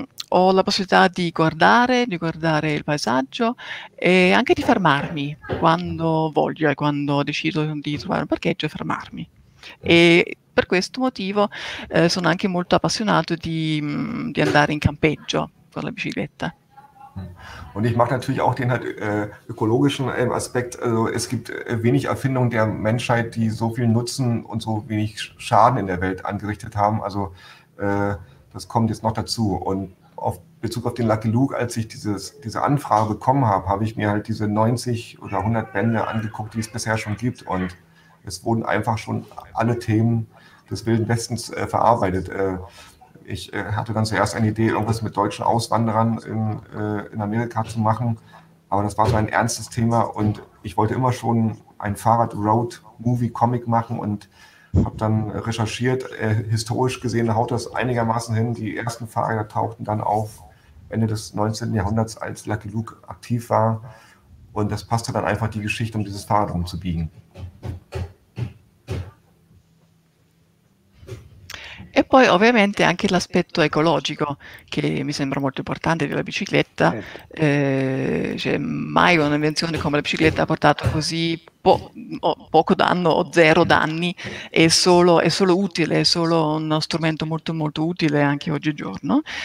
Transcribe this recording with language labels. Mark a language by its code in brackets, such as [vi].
[it] Ho la possibilità di guardare il paesaggio e anche di fermarmi quando voglio e quando decido di trovare un parcheggio e fermarmi. E per questo motivo sono anche molto appassionato di andare in campeggio con la bicicletta. [de] Und ich mag natürlich auch den halt ökologischen Aspekt. Also es gibt wenig Erfindungen der Menschheit, die so viel Nutzen und so wenig Schaden in der Welt angerichtet haben. Also das kommt jetzt noch dazu. Und auf Bezug auf den Lucky Luke, als ich diese Anfrage bekommen habe, habe ich mir halt diese 90 oder 100 Bände angeguckt, die es bisher schon gibt. Und es wurden einfach schon alle Themen des Wilden Westens verarbeitet. Ich hatte dann zuerst eine Idee, irgendwas mit deutschen Auswanderern in Amerika zu machen. Aber das war so ein ernstes Thema. Und ich wollte immer schon ein Fahrrad-Road-Movie-Comic machen und habe dann recherchiert, historisch gesehen haut das einigermaßen hin. Die ersten Fahrräder tauchten dann auf Ende des 19. Jahrhunderts, als Lucky Luke aktiv war. Und das passte dann einfach die Geschichte, um dieses Fahrrad umzubiegen. [it] E poi ovviamente anche l'aspetto ecologico, che mi sembra molto importante della bicicletta. Cioè, mai un'invenzione come la bicicletta ha portato così poco danno o zero danni, è solo utile, è solo uno strumento molto molto utile anche oggigiorno.